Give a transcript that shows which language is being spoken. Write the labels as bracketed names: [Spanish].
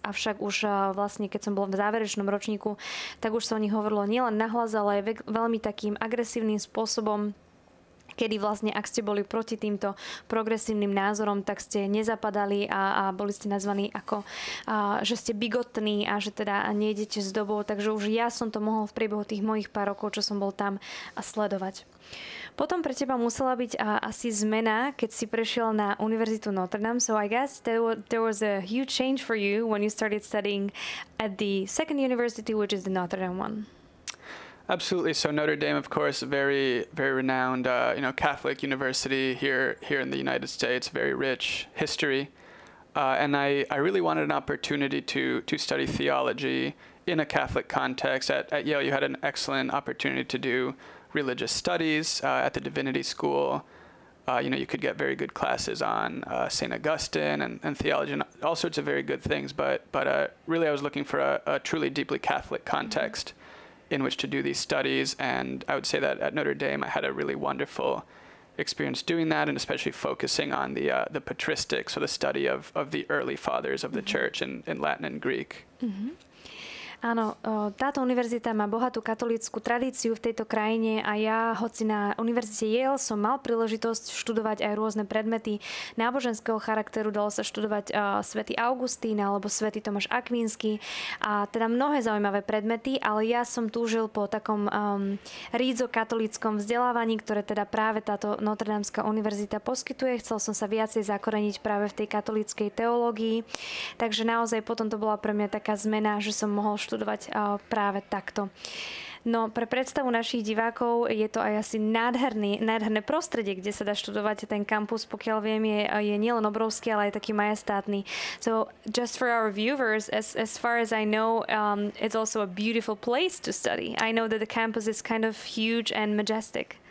[Slovak] Avšak už vlastne, keď som bol v záverečnom ročníku, tak už sa o nich hovorilo nielen nahlas, ale aj veľmi takým agresívnym spôsobom, kedy vlastne, ak ste boli proti týmto progresívnym názorom, tak ste nezapadali a boli ste nazvaní ako, že ste bigotní a že teda nejdete s dobou. Takže už ja som to mohol v priebehu tých mojich pár rokov, čo som bol tam, a sledovať. Potom pre teba musela byť asi zmena, keď si prešiel na Univerzitu Notre Dame. [English] So I guess there was a huge change for you when you started studying at the second university, which is the Notre Dame one. Absolutely. So Notre Dame, of course, very, very renowned, you know, Catholic university here in the United States, very rich history. And I really wanted an opportunity to study theology in a Catholic context. At Yale, you had an excellent opportunity to do religious studies at the Divinity School. You know, you could get very good classes on St. Augustine and theology and all sorts of very good things. But really, I was looking for a truly deeply Catholic context in which to do these studies, and I would say that at Notre Dame I had a really wonderful experience doing that, and especially focusing on the patristics, so the study of the early fathers of the church in Latin and Greek. Mm-hmm. [Slovak] Áno, táto univerzita má bohatú katolícku tradíciu v tejto krajine a ja, hoci na univerzite Yale, som mal príležitosť študovať aj rôzne predmety náboženského charakteru. Dalo sa študovať svätý Augustín alebo svätý Tomáš Akvínsky a teda mnohé zaujímavé predmety, ale ja som túžil po takom rízo-katolíckom vzdelávaní, ktoré teda práve táto Notre-Dameská univerzita poskytuje. Chcel som sa viacej zakoreniť práve v tej katolíckej teológii, takže naozaj potom to bola pre mňa taká zmena, že som mohol študovať práve takto. No, pre predstavu našich divákov je to aj asi nádherné prostredie, kde sa dá študovať. Ten kampus, pokiaľ viem, je nielen obrovský, ale aj taký majestátny. [English] So, just for our viewers, as far as I know, it's also a beautiful place to study. I know that the campus is kind of huge and majestic.